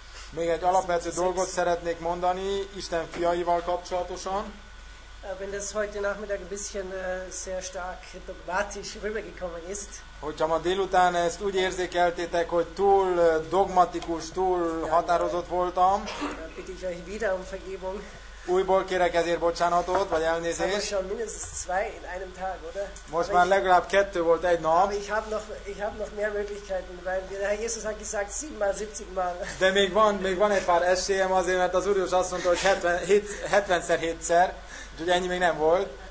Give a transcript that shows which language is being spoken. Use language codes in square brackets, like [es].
[hu] Még egy alapvető dolgot szeretnék mondani Isten fiaival kapcsolatosan. [de] Wenn das heute Nachmittag ein bisschen sehr stark dogmatisch rübergekommen ist. [hu] Hogyha ma délután ezt úgy érzékeltétek, hogy túl dogmatikus, túl határozott voltam. [de] Bitte ich euch wieder um Vergebung. [hu] Újból kérek ezért bocsánatot, vagy elnézést. [de] Schon mindestens zwei in einem Tag, oder? [hu] Most már legalább kettő volt egy nap. [de] Aber ich hab noch mehr Möglichkeiten, weil der Herr Jesus hat gesagt 7-mal, 70-mal. [hu] De még van egy pár esélyem azért, mert az Úr Jézus azt mondta, hogy 70-szer, 7-szer, úgyhogy ennyi még nem volt.